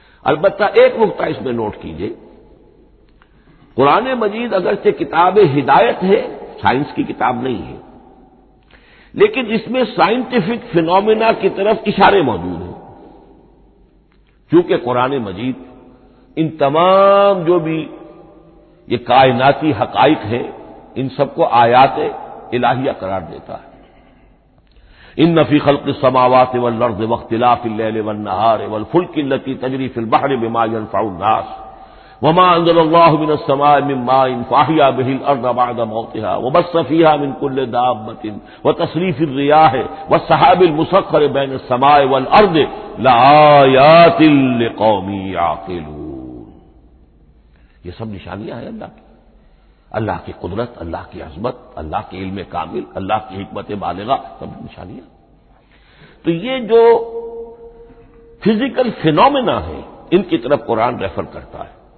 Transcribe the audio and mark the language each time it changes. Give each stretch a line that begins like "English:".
Urdu: البتہ ایک نقطہ اس میں نوٹ کیجئے, قرآن مجید اگرچہ کتاب ہدایت ہے, سائنس کی کتاب نہیں ہے, لیکن اس میں سائنٹیفک فینومینا کی طرف اشارے موجود ہیں. چونکہ قرآن مجید ان تمام جو بھی یہ کائناتی حقائق ہیں ان سب کو آیات الہیہ قرار دیتا ہے.
Arabic: ان فی خلق السماوات والارض واختلاف الليل والنهار والفلك التي تجري في البحر بما ينفع الناس وما انزل الله من السماء من ماء فاحيا به الارض بعد موتها وبث فيها من كل دابه وتصريف الرياح والسحاب المسخر بين السماء والارض لآيات لقوم يعقلون.
Urdu: یہ سب نشانیاں ہیں اللہ کی, اللہ کی قدرت, اللہ کی عظمت, اللہ کے علم کامل, اللہ کی حکمت بالغہ, سب نشانیاں. تو یہ جو فزیکل فینومینا ہے ان کی طرف قرآن ریفر کرتا ہے.